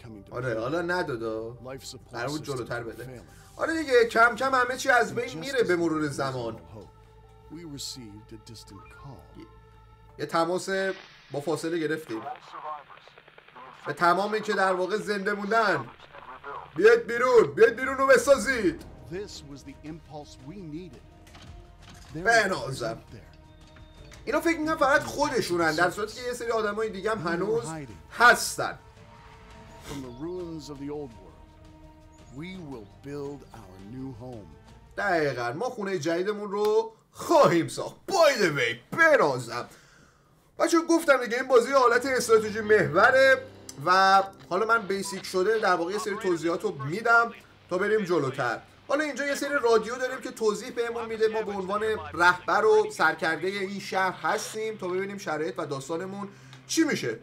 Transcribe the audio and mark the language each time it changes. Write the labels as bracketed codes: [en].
[fa] آره حالا نداد قرار بود جلوتر بده. آره دیگه کم کم همه چی از بین میره به مرور زمان. [en] We received a distant call. [fa] یه تماس با فاصله گرفتیم. به تمامی که در واقع زنده موندن، بیاد بیرون و بسازید. [en] This was the impulse we needed. [fa] بنازم. اینا فکر می‌کنن فقط خودشونن، در صورتی که یه سری آدمای دیگه هم هنوز هستن. [en] From the ruins of the old world, we will build our new home. [fa] دقیقاً ما خونه جدیدمون رو خواهیم ساخت. باید وی برازم بچه ها گفتم دیگه این بازی حالت استراتژی محوره و حالا من بیسیک شده در واقع یه سری توضیحات رو میدم تا بریم جلوتر. حالا اینجا یه سری رادیو داریم که توضیح بهمون میده ما به عنوان رهبر و سرکرده این شهر هستیم تا ببینیم شرایط و داستانمون چی میشه.